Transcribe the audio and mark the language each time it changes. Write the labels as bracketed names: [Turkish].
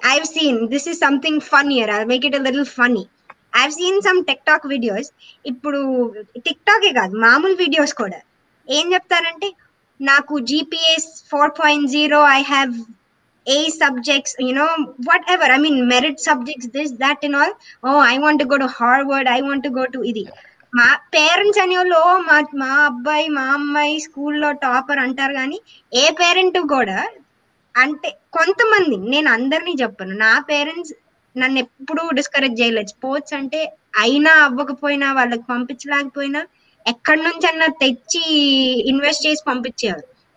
[English] I've seen, this is something funnier, I'll make it a little funny. I've seen some TikTok videos. [Telugu] ఇప్పుడు TikTok కాదు మామూలు videos కూడా ఏం చెప్తారంటే నాకు GPS 4.0, [English] I have A subjects, you know, whatever. I mean, merit subjects, this, that and all. Oh, I want to go to Harvard, I want to go to ఇది. [Telugu] మా parents అనేవాళ్ళు మా అబ్బాయి మా అమ్మాయి స్కూల్లో టాపర్ అంటారు, కానీ ఏ పేరెంట్ కూడా అంటే కొంతమంది, నేను అందరినీ చెప్పను, నా పేరెంట్స్ నన్ను ఎప్పుడూ డిస్కరేజ్ చేయలేదు స్పోర్ట్స్ అంటే అయినా అవ్వకపోయినా వాళ్ళకి పంపించలేకపోయినా ఎక్కడి నుంచన్నా తెచ్చి ఇన్వెస్ట్ చేసి పంపించేవారు.